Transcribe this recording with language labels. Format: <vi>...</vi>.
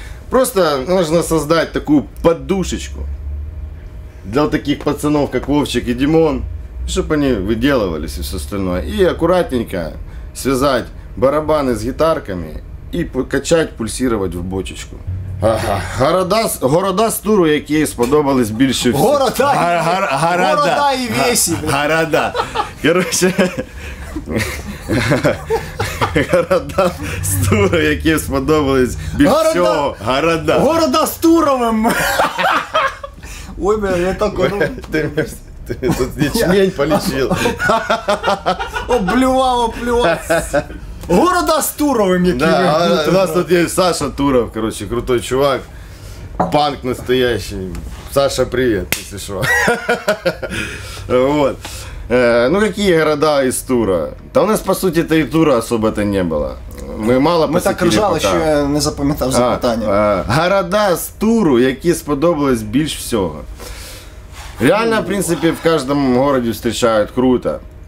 <ru>Просто нужно создать такую подушечку для таких пацанов, как Вовчик и Димон, чтобы они выделывались и все остальное. И аккуратненько связать барабаны с гитарками и качать, пульсировать в бочечку.</ru> <uk>Города стуру, які сподобались більше всього.</uk> <ru>Города и веси. Города.</ru> <uk>Короче, города стуру, які сподобались більше всього.</uk> <ru>Города. Города стуровым. Ой, блин, я так... Ты тут ячмень полечил. Оплювало. Города с Туровым, да, у нас тут есть Саша Туров, короче, крутой чувак. Панк настоящий. Саша, привет, если что. Вот. Ну, какие города из Тура? Да у нас, по сути, это и Тура особо-то не было.</ru> <uk>Ми мало</uk> <ru>посетили.</ru> <uk>Ми так ржали, що я не запам'ятав запитання. Города з туру, які сподобались більш всього. Реально, в принципі, в кожному місті зустрічають круто.</uk>